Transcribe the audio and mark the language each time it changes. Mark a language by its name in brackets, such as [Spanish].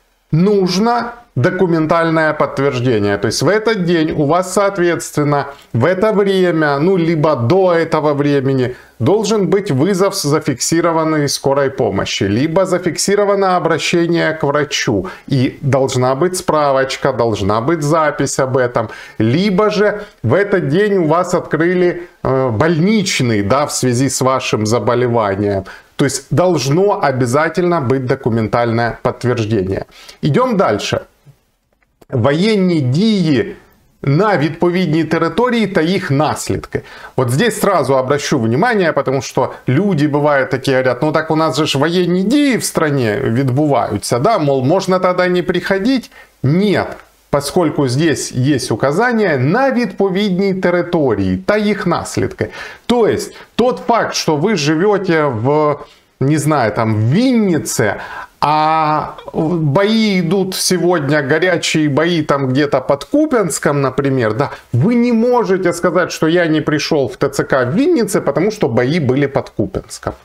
[Russian] Нужно документальное подтверждение. То есть в этот день у вас, соответственно, в это время, ну, либо до этого времени, должен быть вызов зафиксированный скорой помощи, либо зафиксировано обращение к врачу, и должна быть справочка, должна быть запись об этом, либо же в этот день у вас открыли больничный, да, в связи с вашим заболеванием. То есть должно обязательно быть документальное подтверждение. Идем дальше. [Ukrainian] Воєнні дії на відповідній території та їх наслідки. [Russian] Вот здесь сразу обращу внимание, потому что люди бывают такие, говорят, ну так у нас же [Ukrainian] воєнні дії [Russian] в стране [Ukrainian] відбуваються, [Russian] да, мол, можно тогда не приходить? Нет, поскольку здесь есть указание на [Ukrainian] відповідній території та їх наслідки. [Russian] То есть тот факт, что вы живете в, не знаю, там, в Виннице, а бои идут сегодня, горячие бои там где-то под Купянском, например, да, вы не можете сказать, что я не пришел в ТЦК в Виннице, потому что бои были под Купянском.